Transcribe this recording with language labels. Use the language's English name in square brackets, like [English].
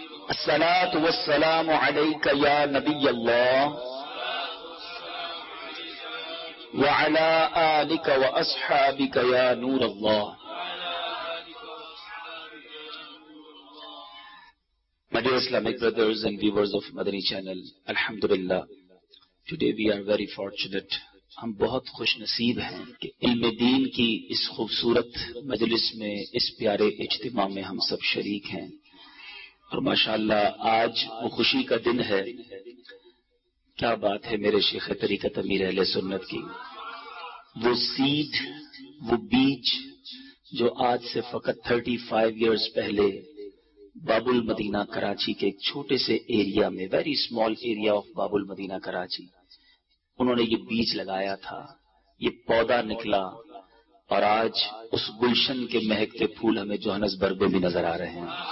[Arabic] الصلاة والسلام عليك يا نبي الله وعلى آلك وأصحابك يا نور الله. [English] My dear Islamic brothers and viewers of Madani channel, Alhamdulillah, today we are very fortunate. [Urdu] ہم بہت خوش نصیب ہیں کہ علم دین کی اس خوبصورت مجلس میں اس پیارے اجتماع میں ہم سب شریک ہیں اور ماشاءاللہ آج وہ خوشی کا دن ہے. کیا بات ہے میرے شیخ طریقت امیر اہل سنت کی. وہ سیٹ, وہ بیچ جو آج سے فقط 35 [English] years [Urdu] پہلے باب المدینہ کراچی کے ایک چھوٹے سے ایریا میں, [English] very small area of [Urdu] باب المدینہ کراچی, انہوں نے یہ بیچ لگایا تھا, یہ پودا نکلا, اور آج اس گلشن کے مہکتے پھول ہمیں جوہنس برگ میں نظر آ رہے ہیں.